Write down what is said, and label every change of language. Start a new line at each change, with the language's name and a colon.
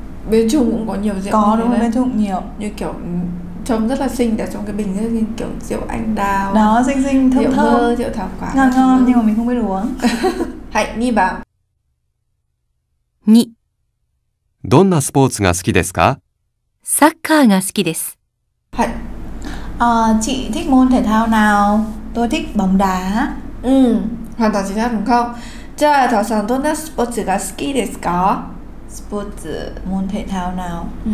Vietnamese: Bên Trung cũng có nhiều rượu có như đúng không? Bên Trung nhiều như kiểu trông rất là xinh, để trong cái bình rất như kiểu rượu anh đào đó, xinh xinh thơm rượu thơm, mơ, rượu thảo quả ngon ngon, nhưng mà mình không biết uống. Hãy nghi bảo nhị
Japanese: どんなスポーツが好きですか？サッカーが好きです。はい。
Vietnamese: chị thích môn thể thao nào? Tôi thích bóng đá. うん、hoàn toàn chính xác đúng không?
Japanese: じゃあ、タオさん、どんなスポーツが好きですか？
Vietnamese: スポーツ、môn thể thao nào?